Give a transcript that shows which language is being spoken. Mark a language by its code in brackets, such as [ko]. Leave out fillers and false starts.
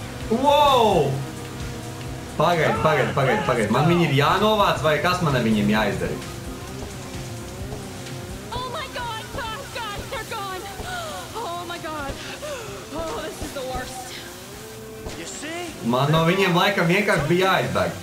[lv] Wow! Pagaid, man viņi ir jānovāc, vai kas man ar viņiem jāizdarīt? [en] Oh my god, god, they're gone! Oh my god, oh, this is the worst! You see? [lv] Man no viņiem laikam vienkārši bija jāizbēg.